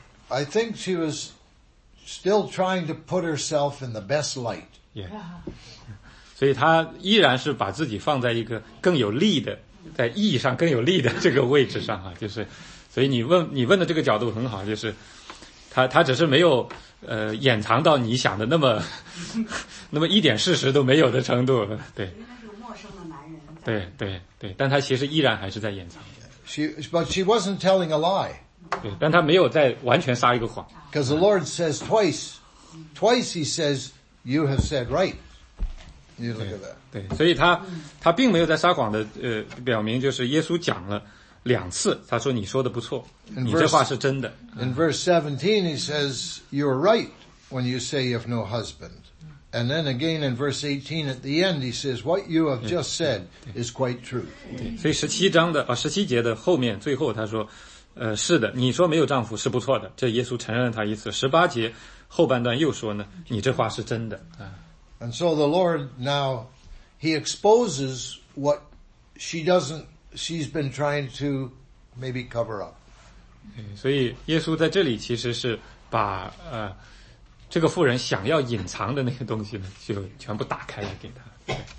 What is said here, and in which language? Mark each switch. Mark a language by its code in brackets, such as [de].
[en] I think she was still trying to put herself in the best light. Yeah. [zh] 所以她依然是把自己放在一个更有利的，在意义上更有利的这个位置上啊，就是，所以你问的这个角度很好，就是她只是没有。掩藏到你想的那么一点事实都没有的程度，对。因为他是陌生的男人。对对对，但他其实依然还是在掩藏。 [en] But she wasn't telling a lie. [zh] 对，但他没有在完全撒一个谎。 [en] Because the Lord says twice he says, you have said right. You look at that. [zh] 对，所以他并没有在撒谎的表明就是耶稣讲了2次，他说你说的不错。你这话是真的。 [en] In verse 17, he says, you're right when you say you have no husband. And then again in verse 18, at the end, he says, what you have just said is quite true. [zh] 所以17节的后面，最后他说，是的，你说没有丈夫是不错的。这耶稣承认他一次。18节后半段又说呢，你这话是真的。 [en] And so the Lord now, he exposes what she's been trying to maybe cover up. [zh] 所以耶稣在这里其实是把这个妇人想要隐藏的那个东西呢就全部打开了给他。